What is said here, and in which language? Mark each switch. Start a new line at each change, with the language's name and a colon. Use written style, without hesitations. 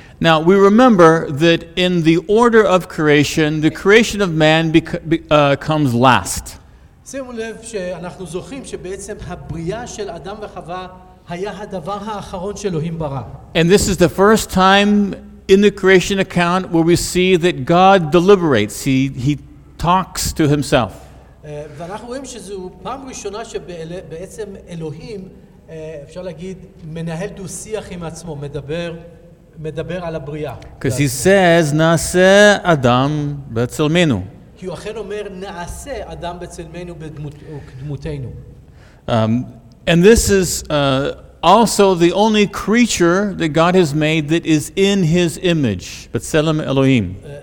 English: Now we remember that in the order of creation, the creation of man comes last.
Hebrew: שימו לב שאנחנו זוכרים שבעצם הבריאה של אדם וחווה היה הדבר האחרון שאלוהים ברא.
English: And this is the first time in the creation account where we see that God deliberates. He talks to himself.
Hebrew: ואנחנו רואים שזו פעם ראשונה שבעצם אלוהים, אפשר להגיד, מנהל דו שיח עם עצמו, מדבר על הבריאה.
English: Because he says,
Hebrew: נעשה אדם בצלמנו. כי הוא אכן אומר, נעשה אדם בצלמנו ובדמותנו.
English: And this is also the only creature that God has made that is in His image, B'Tselem Elohim.